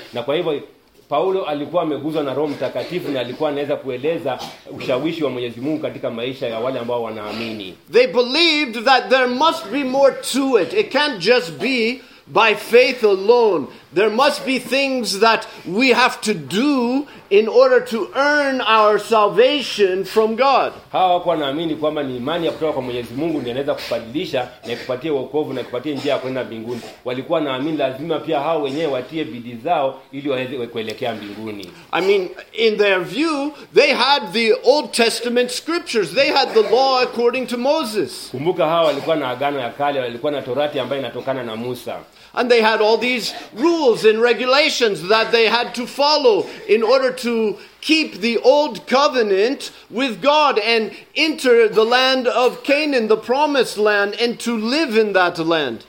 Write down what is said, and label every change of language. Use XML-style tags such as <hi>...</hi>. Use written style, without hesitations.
<sw>Na kwa hivyo Paulo alikuwa ameguzwa na Roho Mtakatifu na alikuwa anaweza kueleza ushawishi wa Mwenyezi Mungu katika maisha ya wale ambao wanaamini.</sw> <en>They believed that there must be more to it. It can't just be by faith alone. There must be things that we have to do in order to earn our salvation from God.</en> <sw>Hawa wako wanaamini kwamba ni imani ya kutoka kwa Mwenyezi Mungu ndio inaweza kubadilisha na kupatia wokovu na kupatia njia ya kwenda mbinguni. Walikuwa naamini lazima pia hao wenyewe watie bidii zao ili waweze kuelekea mbinguni.</sw> <en>I mean, in their view, they had the Old Testament scriptures. They had the law according to Moses.</en> <sw>Kumbuka hawa walikuwa na agano ya kale, walikuwa na Torati ambayo inatokana na Musa.</sw> <en>And they had all these rules and regulations that they had to follow in order to keep the old covenant with God and enter the land of Canaan, the promised land, and to live in that land.</en>